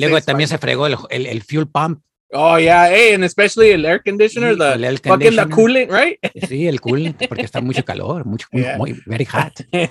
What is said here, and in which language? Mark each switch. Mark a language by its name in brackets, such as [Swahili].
[English] say [Spanish] luego también se fregó el fuel pump. [English] Oh, yeah. Hey, and especially el air conditioner, fucking the coolant, right? [Spanish] Sí, el coolant, porque está mucho calor, [English] very hot.